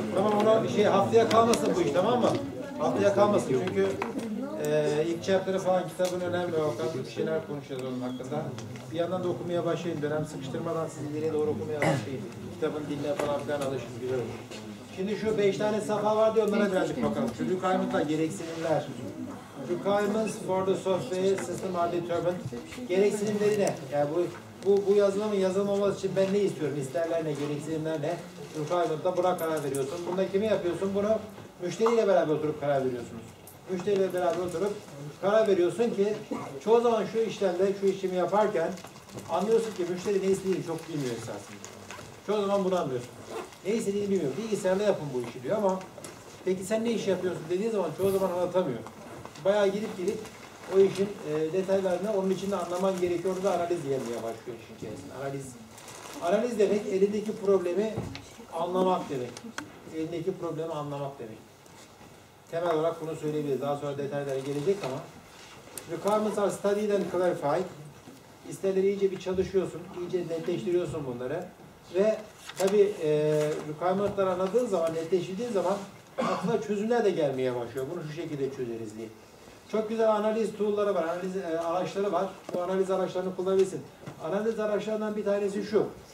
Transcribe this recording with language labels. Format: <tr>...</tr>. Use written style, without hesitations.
<tr>Tamam, ona şey, haftaya kalmasın bu iş, tamam mı? Haftaya kalmasın çünkü ilk chapter'ı falan kitabın önemli o kadar bir şeyler konuşacağız onun hakkında. Bir yandan da okumaya başlayın, dönem sıkıştırmadan sizin yere doğru okumaya başlayın. Kitabın diline falan filan alışın, güzel olur. Şimdi şu 5 tane safha var diye onlara birazcık bakalım. Şu requirement'la gereksinimler.</tr> <en>Requirements for the software system are determined.</en> <tr>Gereksinimleri ne? Yani bu yazılımın yazılım olması için ben ne istiyorum? İsterler ne, gereksinimler ne? Requirement'la buna karar veriyorsun. Bunda kimi yapıyorsun? Bunu müşteriyle beraber oturup karar veriyorsunuz. Müşteriyle beraber oturup karar veriyorsun ki çoğu zaman şu işlemde, şu işimi yaparken anlıyorsun ki müşteri ne istediğini çok bilmiyor esasında. Çoğu zaman bunu anlıyorsun. Ne istediğini bilmiyor. Bilgisayarla yapın bu işi diyor ama peki sen ne iş yapıyorsun dediği zaman çoğu zaman anlatamıyor. Bayağı gidip o işin detaylarını onun içinde anlaman gerekiyor da analiz yapmaya başlıyor işin içerisinde. Analiz demek elindeki problemi anlamak demek. Elindeki problemi anlamak demek. Temel olarak bunu söyleyebiliriz. Daha sonra detaylara gelecek ama.</tr> <en>Requirements are studied and clarified.</en> <tr>İsterleri iyice bir çalışıyorsun, iyice netleştiriyorsun bunları. Ve tabii requirements'ları anladığın zaman, netleştirdiğin zaman aklına çözümler de gelmeye başlıyor. Bunu şu şekilde çözeriz diye. Çok güzel analiz tool'ları var, analiz araçları var. Bu analiz araçlarını kullanabilirsin. Analiz araçlarından bir tanesi şu.</tr>